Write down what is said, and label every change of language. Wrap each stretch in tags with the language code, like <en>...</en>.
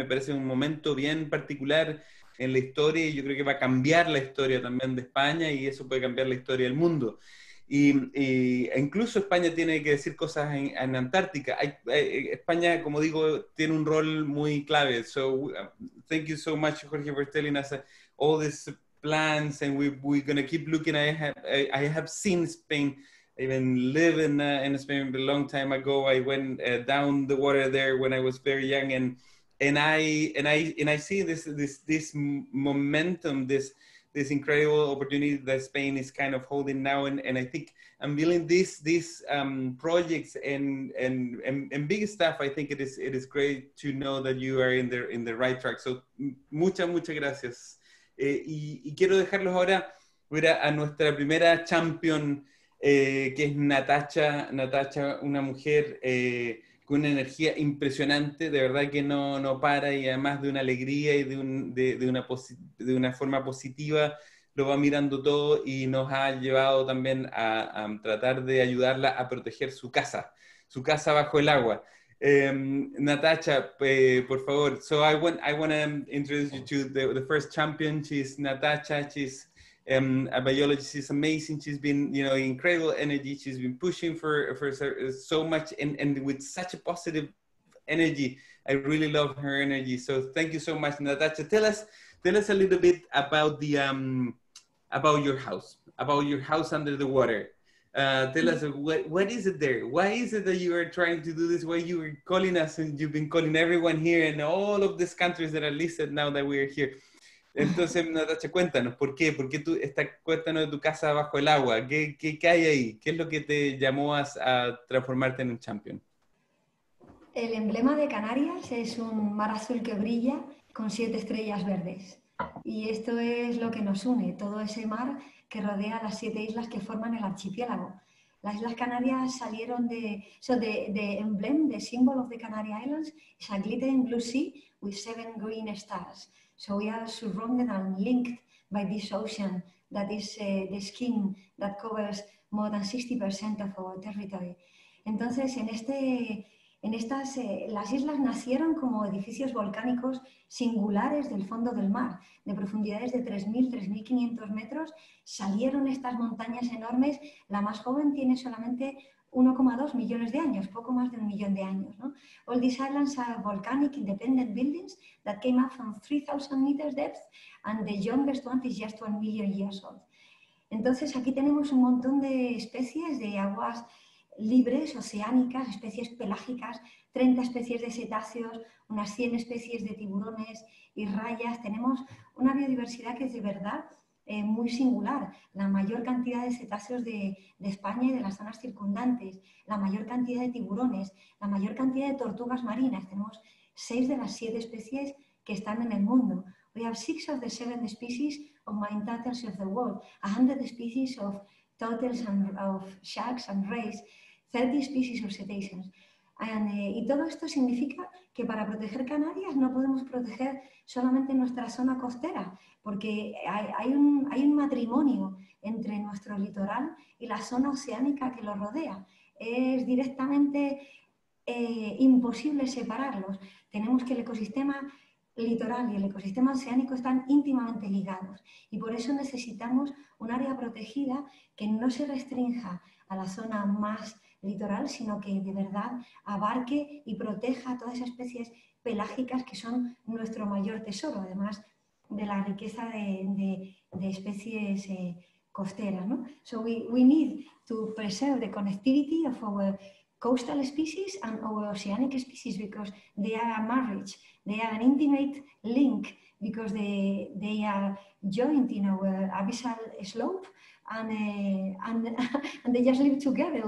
<es>Me parece un momento bien particular en la historia y yo creo que va a cambiar la historia también de España, y eso puede cambiar la historia del mundo. Y incluso España tiene que decir cosas en Antártica. España, como digo, tiene un rol muy clave.</es> <en>So, thank you so much, Jorge, for telling us all these plans, and we're going to keep looking. I have seen Spain, even live in Spain a long time ago. I went down the water there when I was very young, and I see this momentum, this this incredible opportunity that Spain is kind of holding now, and I think unveiling these projects and big stuff. I think it is great to know that you are in the right track.</en> <es>So muchas gracias. Y quiero dejarlos ahora a nuestra primera champion, que es Natacha. Natacha, una mujer con una energía impresionante, de verdad que no para, y además de una alegría y de una forma positiva, lo va mirando todo y nos ha llevado también a tratar de ayudarla a proteger su casa bajo el agua. Natacha, por favor.</es> <en>So I want to introduce you to the first champion. She's Natacha. She's a biologist. She's amazing. She's been, you know, incredible energy. She's been pushing for so much and with such a positive energy. I really love her energy. So thank you so much, Natacha. Tell us a little bit about the about your house under the water. Tell us what is it there? Why is it that you are trying to do this? Why you are calling us, and you've been calling everyone here and all of these countries that are listed now that we are here.</en> <es>Entonces, Natacha, cuéntanos por qué. ¿Por qué tú estás, cuéntanos de tu casa bajo el agua? ¿Qué hay ahí? ¿Qué es lo que te llamó a transformarte en un champion? El emblema de Canarias es un mar azul que brilla con 7 estrellas verdes. Y esto es lo que nos une, todo ese mar que rodea las 7 islas que forman el archipiélago. Las Islas Canarias salieron de</es> <en>emblem,</en> <es>de símbolo de</es> <en>Canary Islands, es a glittering blue sea with 7 green stars. So we are surrounded and linked by this ocean that is the skin that covers more than 60% of our territory.</en> <es>Entonces, las islas nacieron como edificios volcánicos singulares del fondo del mar, de profundidades de 3.000-3.500 metros. Salieron estas montañas enormes. La más joven tiene solamente 1,2 millones de años, poco más de 1 millón de años, ¿no?</es> <en>All these islands are volcanic independent buildings that came up from 3,000 meters depth, and the youngest one is just 1 million years old.</en> <es>Entonces, aquí tenemos un montón de especies de aguas libres, oceánicas, especies pelágicas, 30 especies de cetáceos, unas 100 especies de tiburones y rayas. Tenemos una biodiversidad que es de verdad muy singular. La mayor cantidad de cetáceos de España y de las zonas circundantes, la mayor cantidad de tiburones, la mayor cantidad de tortugas marinas. Tenemos 6 de las 7 especies que están en el mundo.</es> <en>We have 6 of the 7 species of marine turtles of the world, 100 species of turtles and of sharks and rays, 30 species of cetaceans.</en> <es>Y todo esto significa que para proteger Canarias no podemos proteger solamente nuestra zona costera, porque hay un matrimonio entre nuestro litoral y la zona oceánica que lo rodea. Es directamente imposible separarlos. Tenemos que el ecosistema litoral y el ecosistema oceánico están íntimamente ligados, y por eso necesitamos un área protegida que no se restrinja a la zona más litoral, sino que de verdad abarque y proteja a todas esas especies pelágicas que son nuestro mayor tesoro, además de la riqueza de especies costeras, ¿no?</es> <en>So we need to preserve the connectivity of our coastal species and our oceanic species, because they are a marriage, they are an intimate link, because they are joined in our abyssal slope, and they just live together.</en>